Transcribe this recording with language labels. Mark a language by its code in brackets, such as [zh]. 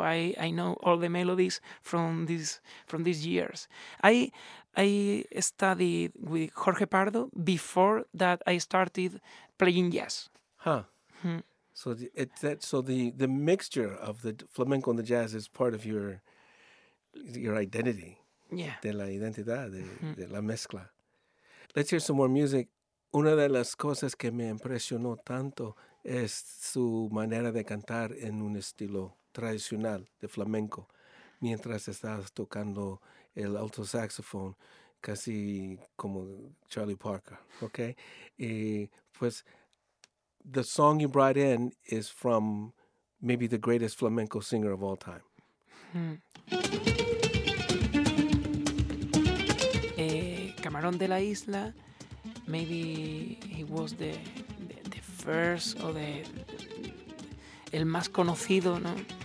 [en] I know all the melodies from these years. I studied with Jorge Pardo before that I started playing jazz. Huh. So the mixture of the flamenco and the jazz is part of your identity. Yeah. [es] De la identidad, de la mezcla. [en] Let's hear some more music. [es] Una de las cosas que me impresionó tanto es su manera de cantar en un estilo tradicional de flamenco. Mientras estás tocando el alto saxophone, casi como Charlie Parker, okay? Y pues... [en] The song you brought in is from maybe the greatest flamenco singer of all time. Camarón de la Isla, maybe he was the first or the [es] el más conocido, ¿no?